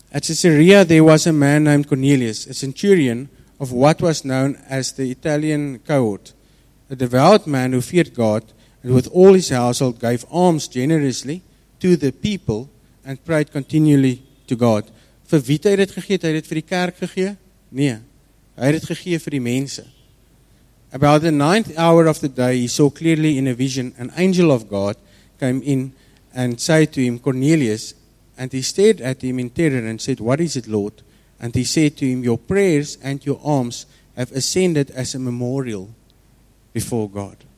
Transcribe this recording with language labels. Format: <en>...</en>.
<en>At Caesarea there was a man named Cornelius, a centurion of what was known as the Italian cohort, a devout man who feared God and with all his household gave alms generously to the people and prayed continually to God.</en> <af>Vir wie het hy dit gegee? Het hy dit vir die kerk gegee? Nee. Hy het dit gegee vir die mense.</af> <en>About the ninth hour of the day, he saw clearly in a vision an angel of God came in and said to him, Cornelius, and he stared at him in terror and said, what is it, Lord? And he said to him, your prayers and your alms have ascended as a memorial before God.</en>